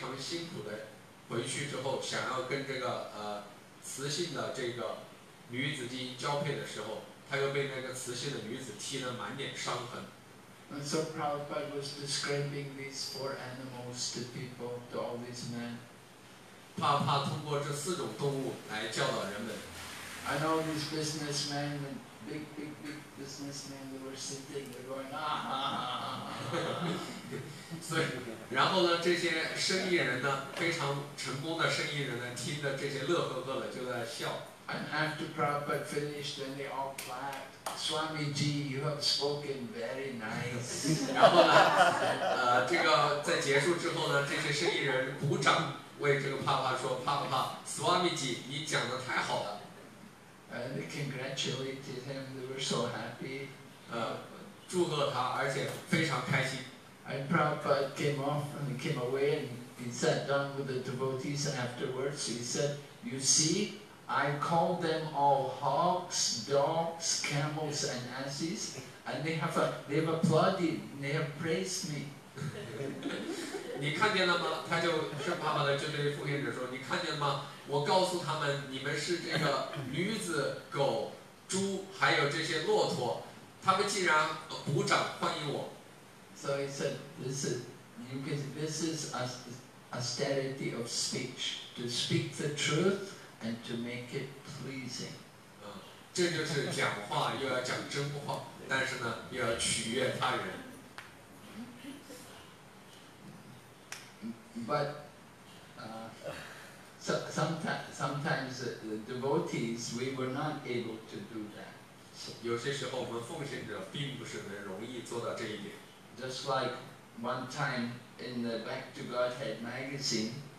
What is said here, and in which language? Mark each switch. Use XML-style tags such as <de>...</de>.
<zh>当他工作了一天非常辛苦的回去之后， 想要跟这个， 雌性的这个女子进行交配的时候， 她又被那个雌性的女子踢得满脸伤痕。</zh> <en>And so Prabhupada was describing these four animals to people, to all these men.</en> <zh>怕通过这四种动物来教导人们。</zh> <en>And all these businessmen, big businessmen, they were sitting, they're going, ah, ah, ah, ah.</en> <zh>然后呢，这些生意人呢， 非常成功的生意人呢， 听着这些乐呵呵的就在笑。</zh> <en>And after Prabhupada finished, then they all clapped. Swamiji, you have spoken very nice.</en> <zh>然后呢， 这个在结束之后呢， 这些生意人鼓掌为这个帕帕说， 帕帕， Swamiji, 你讲得太好了。</zh> <en>And they congratulated him, they were so happy.</en> <zh>祝贺他， 而且非常开心。</zh> <en>And Prabhupada came off and he came away and he sat down with the devotees afterwards. He said, you see, I called them all hogs, dogs, camels and asses, and they have applauded, they have praised me.</en> <zh>你看见了吗？他就是爸爸的这对复印者说， 你看见了吗？我告诉他们， 你们是这个驴子、狗、猪， 还有这些骆驼， 他们竟然鼓掌欢迎我。</zh> <en>So he said, this is austerity of speech, to speak the truth and to make it pleasing.</en> <zh>这就是讲话又要讲真话， 但是呢又要取悦他人。</zh> <en>But sometimes the devotees, we were not able to do that.</en> <zh>有些时候我们奉献者并不是能容易做到这一点。</zh> <en>Just like one time in the Back to Godhead magazine,</en>